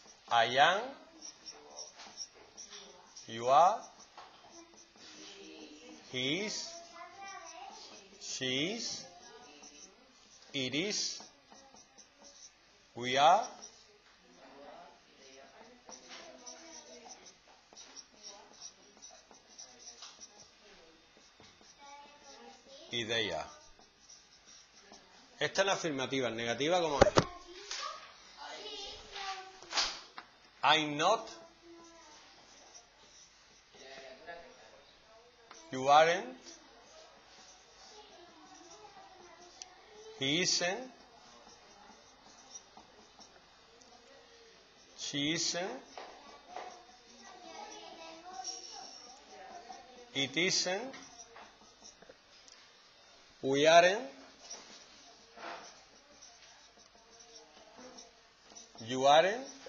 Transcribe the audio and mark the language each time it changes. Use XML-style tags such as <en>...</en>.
<en>I am, you are, he is, she is, it is, we are, y they are.</en> <es>Esta es la afirmativa, en negativa, ¿cómo es?</es> <en>I'm not, you aren't, he isn't, she isn't, it isn't, we aren't, you aren't.</en>